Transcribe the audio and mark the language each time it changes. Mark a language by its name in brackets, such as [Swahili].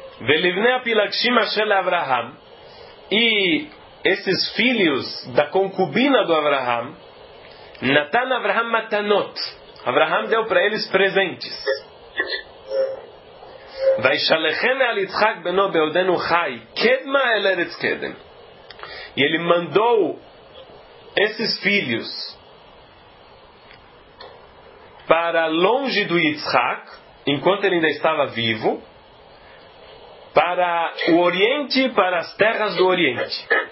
[Hebrew] ולבני הפילגשים אשר לאברהם, [Portuguese] e esses filhos da concubina do Abraham, [Hebrew] נתן אברהם מתנות. [Portuguese] Abraham deu para eles presentes. [Hebrew] וישלחם על יצחק בנו בעודנו חי, קדמה אל ארץ קדם. [Portuguese] E ele mandou esses filhos para longe do Yitzhak, enquanto ele ainda estava vivo, para o Oriente, para as terras do Oriente.